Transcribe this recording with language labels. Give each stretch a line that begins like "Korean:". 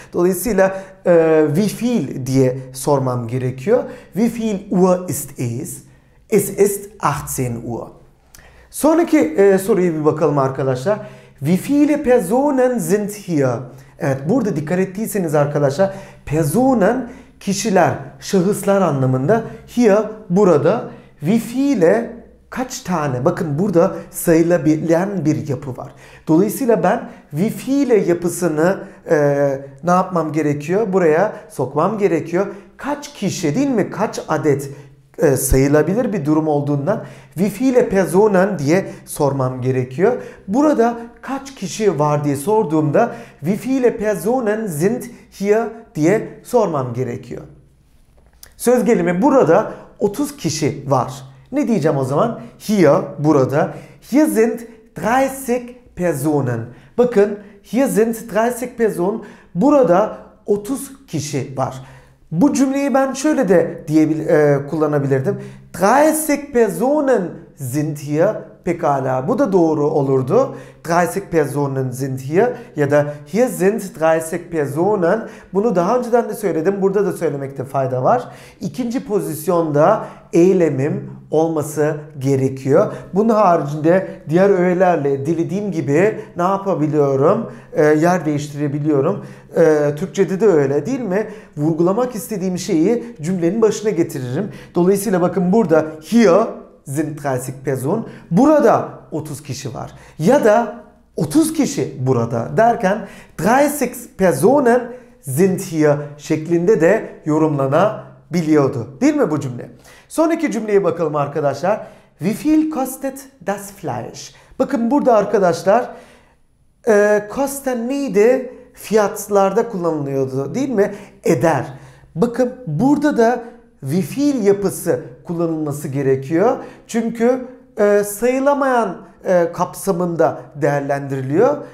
Turkish: Dolayısıyla
German: wie viel
Turkish: diye sormam gerekiyor.
German: Wie viel Uhr ist es? Es ist 18 Uhr.
Turkish: Sonraki soruya bir bakalım arkadaşlar.
German: Wie viele Personen sind hier?
Turkish: Evet, burada dikkat ettiyseniz arkadaşlar Personen kişiler, şahıslar anlamında. Hier burada. Wie viele kaç tane? Bakın burada sayılabilen bir yapı var. Dolayısıyla ben
German: wie viele
Turkish: yapısını ne yapmam gerekiyor? Buraya sokmam gerekiyor. Kaç kişi değil mi? Kaç adet sayılabilir bir durum olduğundan
German: wie viele Personen
Turkish: diye sormam gerekiyor. Burada kaç kişi var diye sorduğumda
German: wie viele Personen sind hier
Turkish: diye sormam gerekiyor. Söz gelimi burada 30 kişi var. Ne diyeceğim o zaman? Hier burada.
German: Hier sind 30 Personen.
Turkish: Bakın
German: hier sind 30 Personen.
Turkish: Burada 30 kişi var. Bu cümleyi ben şöyle de kullanabilirdim.
German: 30 Personen sind hier.
Turkish: Pekala, bu da doğru olurdu.
German: 30 Personen sind hier.
Turkish: Ya da
German: hier sind 30 Personen.
Turkish: Bunu daha önceden de söyledim. Burada da söylemekte fayda var. İkinci pozisyonda eylemim olması gerekiyor. Bunun haricinde diğer öğelerle dilediğim gibi ne yapabiliyorum? Yer değiştirebiliyorum. Türkçede de öyle değil mi? Vurgulamak istediğim şeyi cümlenin başına getiririm. Dolayısıyla bakın burada
German: hier sind 30 Personen.
Turkish: Burada 30 kişi var. Ya da 30 kişi burada derken
German: 30 Personen sind hier
Turkish: şeklinde de yorumlanabiliyordu. Değil mi bu cümle? Sonraki cümleye bakalım arkadaşlar.
German: Wie viel kostet das Fleisch?
Turkish: Bakın burada arkadaşlar kosten neydi? Fiyatlarda kullanılıyordu değil mi? Eder. Bakın burada da
German: wie viel
Turkish: yapısı kullanılması gerekiyor. Çünkü sayılamayan kapsamında değerlendiriliyor.